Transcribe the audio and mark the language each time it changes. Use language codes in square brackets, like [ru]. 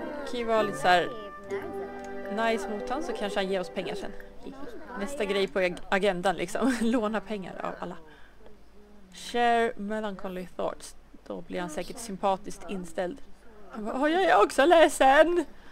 [sv] Kan ju vara lite såhär nice mot han, så kanske han ger oss pengar sen. Nästa grej på agendan liksom. Låna pengar av alla. [en] Share melancholy thoughts. [sv] Då blir han säkert sympatiskt inställd. Bara, jag är också ledsen.